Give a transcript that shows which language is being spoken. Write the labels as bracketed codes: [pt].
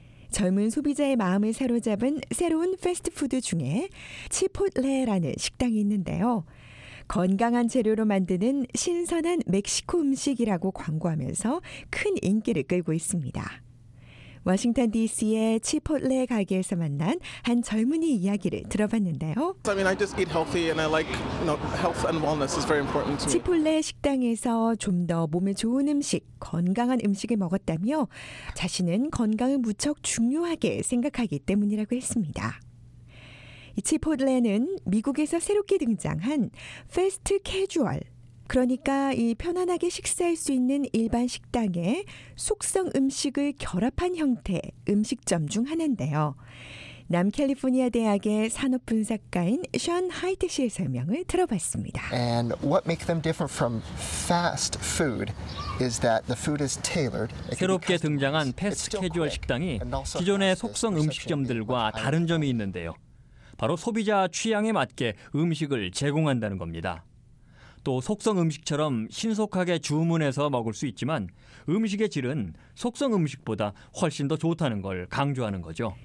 [ko] 젊은 소비자의 마음을 사로잡은 새로운 패스트푸드 중에 치포틀레라는 식당이 있는데요. 건강한 재료로 만드는 신선한 멕시코 음식이라고 광고하면서 큰 인기를 끌고 있습니다. 워싱턴 DC의 치포틀레 가게에서 만난 한 젊은이 이야기를 들어봤는데요. [en] I mean, I just eat healthy and I like, you know, health and wellness is very important to me. [ko] 치포틀레 식당에서 좀 더 몸에 좋은 음식, 건강한 음식을 먹었다며 자신은 건강을 무척 중요하게 생각하기 때문이라고 했습니다. 치포틀레는 미국에서 새롭게 등장한 패스트 캐주얼, 그러니까 이 편안하게 식사할 수 있는 일반 식당에 속성 음식을 결합한 형태 음식점 중 하나인데요. 남캘리포니아 대학의 산업분석가인 션 하이트 씨의 설명을 들어봤습니다. [en] And what makes them different from fast food is that the food is tailored. [ko] 새롭게 등장한 패스트 캐주얼 식당이 기존의 속성 음식점들과 다른 점이 있는데요. 바로 소비자 취향에 맞게 음식을 제공한다는 겁니다. 또 속성 음식처럼 신속하게 주문해서 먹을 수 있지만 음식의 질은 속성 음식보다 훨씬 더 좋다는 걸 강조하는 거죠.